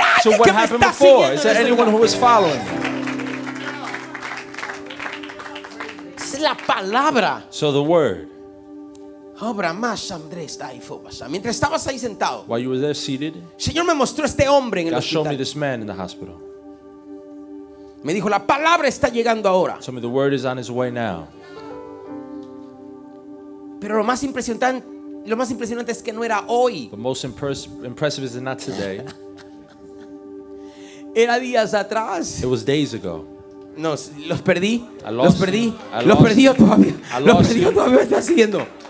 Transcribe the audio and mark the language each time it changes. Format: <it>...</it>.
<en>So what happened before? Is there anyone who was following?</en> <es>Es la palabra.</es> <en>So the word.</en> <es>Mientras estabas ahí sentado.</es> <en>While you were there seated.</en> <es>Señor me mostró este hombre en el hospital.</es> <en>God showed me this man in the hospital.</en> <es>Me dijo la palabra está llegando ahora.</es> <en>So the word is on its way now.</en> <es>Pero lo más impresionante es que no era hoy.</es> <en>The most impressive is not today.</en> <es>Era días atrás.</es> <en>It was days ago.</en> <es>No, los perdí. Los perdí todavía. Los perdí todavía. Me está siguiendo.</es>